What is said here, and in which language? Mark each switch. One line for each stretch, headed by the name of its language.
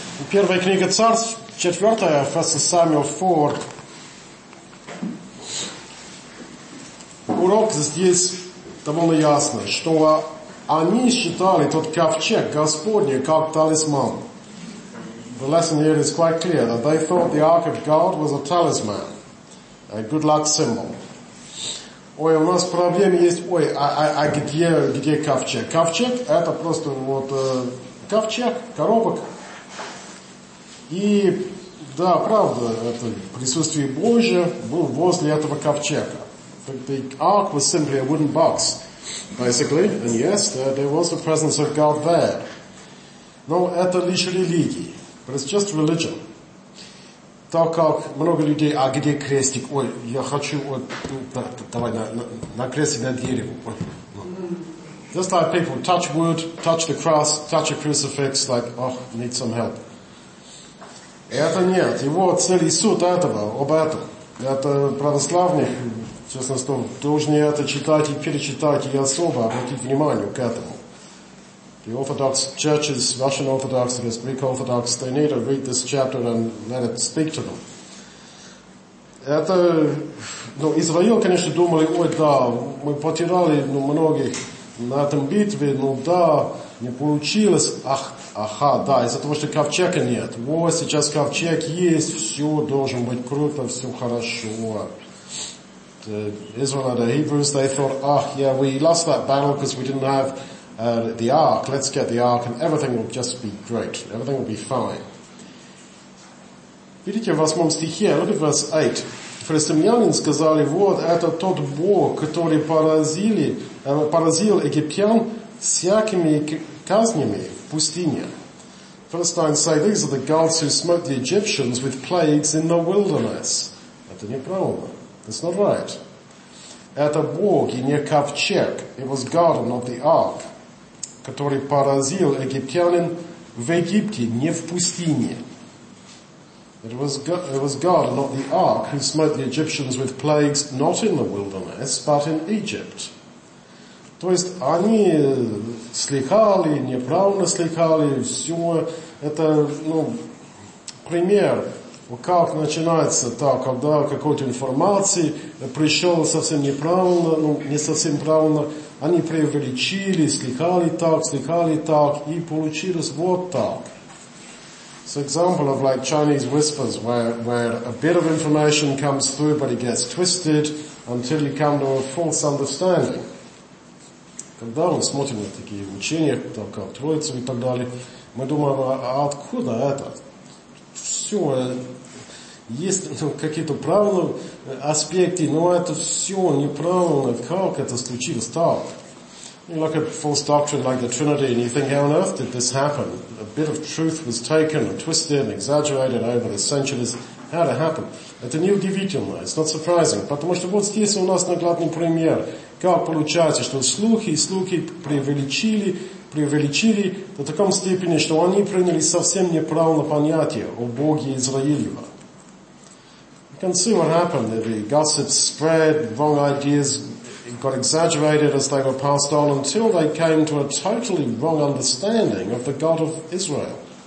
Russian: Первая книга Царств, 4, 1 Самуил 4. Урок здесь довольно ясный, что они считали тот ковчег Господний как талисман.
English: The lesson here is quite clear, that they thought the Ark of God was a talisman, a good luck symbol.
Russian: Ой, у нас проблема есть, ой, а где ковчег? Ковчег — это просто вот ковчег, коробок. И да, правда, это присутствие Божие было возле этого ковчега.
English: The ark was simply a wooden box, basically, and yes, there was the presence of God there.
Russian: Но это лишь религия,
English: but it's just religion.
Russian: Так как много людей, а где крестик? Ой, я хочу, давай на крестик на дерево.
English: Just like people touch wood, touch the cross, touch a crucifix, like, oh, need some help.
Russian: Это нет. Его цель и суд этого, об этом. Это православные, честно скажу, должны это читать и перечитать, и особо обратить внимание к этому.
English: The Orthodox churches, Russian Orthodox, it is Greek Orthodox, they need to read this chapter and let it speak to them.
Russian: Это, ну, Израиль, конечно, думали, ой, да, мы потеряли, ну, многих на этом битве, ну, да, не получилось, да, из-за того, что ковчега нет. Вот сейчас ковчег есть, все должно быть круто, все хорошо.
English: The Israelites, the Hebrews, they thought, yeah, we lost that battle because we didn't have the ark. Let's get the ark and everything will just be great. Everything will be fine.
Russian: Видите, в 8 стихе,
English: look at verse 8.
Russian: Филистимляне сказали, вот это тот Бог, который поразил египтян всякими казнями.
English: Philistines say these are the gods who smote the Egyptians with plagues in the wilderness.
Russian: Это неправильно.
English: That's not right.
Russian: Это Бог и не ковчег.
English: It was God and not the ark,
Russian: который поразил египтянин в Египте, не в пустыне.
English: It was God and not the ark who smote the Egyptians with plagues not in the wilderness, but in Egypt.
Russian: То есть они слыхали, неправильно слыхали, все это, ну, пример, как начинается так, когда какой-то информации пришел совсем неправильно, ну, не совсем правильно, они преувеличили, слыхали так, и получилось вот так.
English: So example of like Chinese whispers, where a bit of information comes through, but it gets twisted until you come to a false understanding.
Russian: Когда мы смотрим на такие учения, только Троицу и так далее, мы думаем, а откуда это? Все, есть, ну, какие-то правильные аспекты, но это все неправильно. Как это случилось так?
English: You look at false doctrine like the Trinity and you think, how on earth did this happen? A bit of truth was taken and twisted and exaggerated over the centuries. How did it happen?
Russian: Это неудивительно,
English: it's not surprising.
Russian: Потому что вот здесь у нас наглядный пример. Как получается, что слухи преувеличили до такой степени, что они приняли совсем неправильное понятие о Боге Израилева.
English: You can see what happened. The gossip spread, wrong ideas got exaggerated as they were passed on until they came to a totally wrong understanding of the God of Israel.